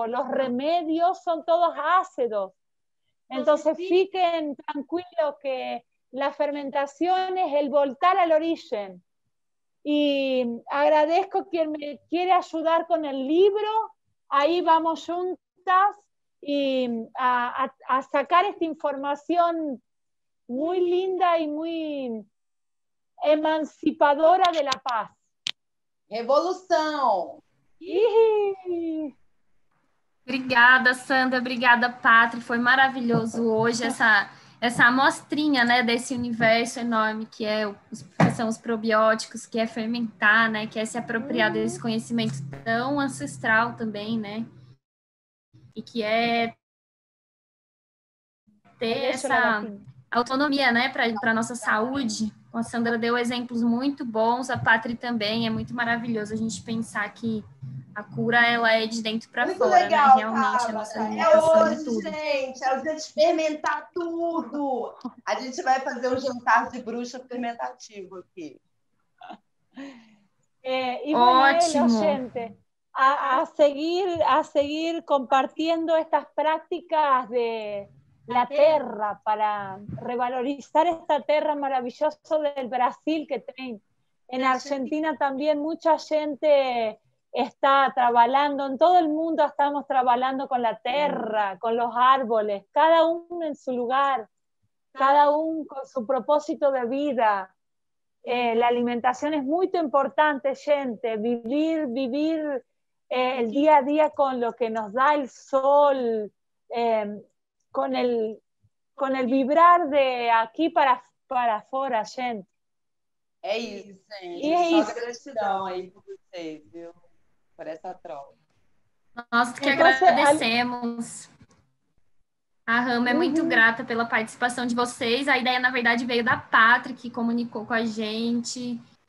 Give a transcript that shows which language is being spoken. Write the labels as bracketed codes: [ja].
[pt] Os remédios são todos ácidos. Então, fiquem tranquilos que a fermentação é o voltar ao origem. E agradeço quem me quer ajudar com o livro. Aí vamos juntas. [es] Y a sacar esta información muy linda y muy emancipadora de la paz. ¡Revolución! [pt] Obrigada, Sandra. Obrigada, Patri. Foi maravilhoso hoje essa amostrinha, né, desse universo enorme que é são os probióticos, que é fermentar, né, que é se apropriar desse conhecimento tão ancestral também, né? E que é ter essa autonomia, né, para a nossa saúde. A Sandra deu exemplos muito bons, a Patri também, é muito maravilhoso a gente pensar que a cura ela é de dentro para fora, legal, né? Realmente, Tava. A nossa alimentação é hoje, tudo. Gente, é o dia de fermentar tudo. A gente vai fazer um jantar de bruxa fermentativo aqui. Ótimo. Bueno, gente. [es] A seguir compartiendo estas prácticas de la tierra para revalorizar esta tierra maravillosa del Brasil que tiene. En Argentina también mucha gente está trabajando, en todo el mundo estamos trabajando con la tierra, con los árboles, cada uno en su lugar, cada uno con su propósito de vida. La alimentación es muy importante, gente, vivir. El día a día con lo que nos da el sol, con el vibrar de aquí para afuera, gente. [pt] É isso, gente. Só isso. Gratidão aí por vocês, viu? Por essa troca. Nós que agradecemos. A Rama é muito grata pela participação de vocês. A ideia, na verdade, veio da Patrick, que comunicou com a gente.